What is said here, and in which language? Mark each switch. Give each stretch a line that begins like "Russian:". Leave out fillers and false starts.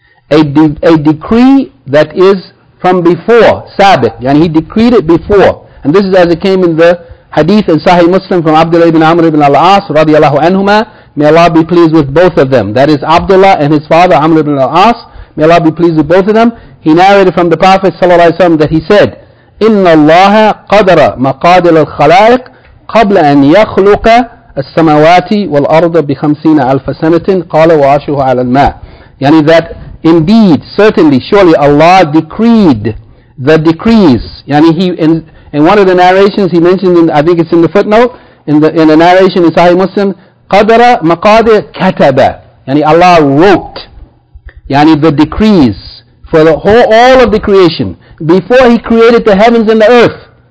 English: A decree that is from before, sabiq, and He decreed it before. And this is as it came in the hadith in Sahih Muslim from Abdullah ibn Amr ibn al-As, radiallahu anhuma. May Allah be pleased with both of them. That is Abdullah and his father, Amr ibn al-As. May Allah be pleased with both of them. He narrated from the Prophet sallallahu alayhi wa sallam that he said,
Arabic: إِنَّ اللَّهَ قَدَرَ مَقَادِلَ الْخَلَائِقِ قَبْلَ أَنْ يَخْلُقَ السَّمَوَاتِ وَالْأَرْضَ بِخَمْسِينَ أَلْفَ سَنَةٍ قَالَ وَعَشُهُ عَلَى الْمَاءِ.
English: Yani that indeed, certainly, surely Allah decreed the decrees. Yani he, in one of the narrations he mentioned, in, I think it's in the footnote, in the narration in Sahih Muslim,
Arabic: قَدَرَ مَقَادِلَ كَتَبَ.
English: Yani Allah wrote yani the decrees for the whole, all of the creation before He created the heavens and the earth.